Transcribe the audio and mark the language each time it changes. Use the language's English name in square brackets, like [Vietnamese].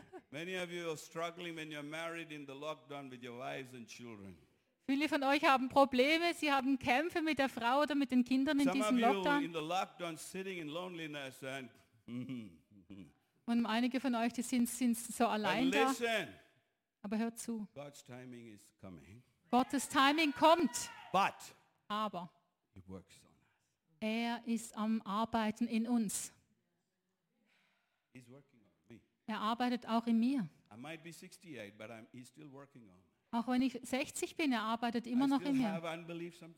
[English] Many of you are struggling when you're married in the lockdown with your wives and children. [German] Viele von euch haben Probleme, sie haben Kämpfe mit der Frau oder mit den Kindern in diesem Lockdown. [English] In the lockdown sitting in loneliness and [German] und einige von euch, die sind so allein [English] and [German] da. [English] Listen, [German] aber hört zu. [English] God's timing is coming. [German] Gottes Timing kommt. [English] But [German] aber [English] it works on us. [German] Er ist am Arbeiten in uns. [English] He's working on me. [German] Er arbeitet auch in mir. [English] I might be 68, but he's still working on me. [German] Auch wenn ich 60 bin, er arbeitet immer noch in mir.